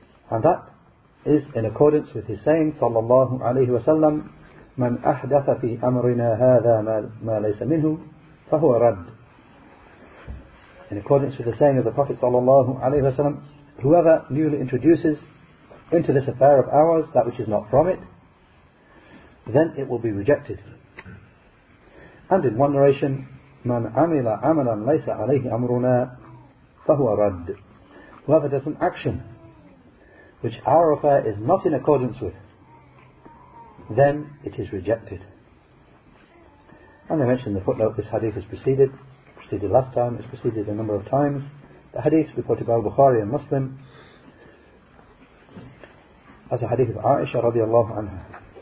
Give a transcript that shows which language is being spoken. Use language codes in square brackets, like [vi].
[en] And that is in accordance with his saying, sallallahu alayhi wa sallam, [ar] man ahdatha fi amrina hadha ma laysa minhu, fahuwa rad. [en] In accordance with the saying of the Prophet sallallahu alayhi wa sallam, whoever newly introduces into this affair of ours that which is not from it, then it will be rejected. And in one narration, [ar] مَنْ عَمِلَ عَمَلًا لَيْسَ عَلَيْهِ أَمْرُنَا فَهُوَ رَدْ. [en] Whoever does an action which our affair is not in accordance with, then it is rejected. And I mentioned in the footnote, this hadith is preceded last time, it's preceded a number of times, the hadith reported by Bukhari and Muslim as a hadith of Aisha radiallahu anha.